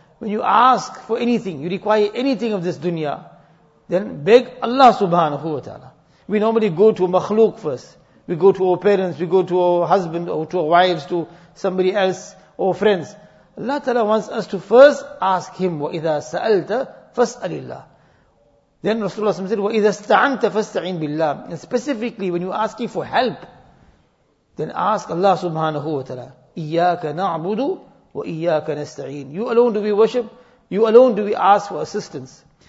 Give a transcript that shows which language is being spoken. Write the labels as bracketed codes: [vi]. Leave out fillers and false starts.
[en] When you ask for anything, you require anything of this dunya, then beg Allah subhanahu wa ta'ala. We normally go to makhluk first. We go to our parents, we go to our husband, or to our wives, to somebody else, or friends. Allah ta'ala wants us to first ask Him. [ar] وَإِذَا سَأَلْتَ فَاسْأَلِ اللَّهِ. [en] Then Rasulullah said, [ar] وَإِذَا اسْتَعَنْتَ فَاسْتَعِنْ بِاللَّهِ. [en] And specifically, when you ask Him for help, then ask Allah subhanahu wa ta'ala, [ar] إِيَّاكَ نَعْبُدُ وَإِيَّاكَ نَسْتَعِينَ. [en] You alone do we worship, you alone do we ask for assistance.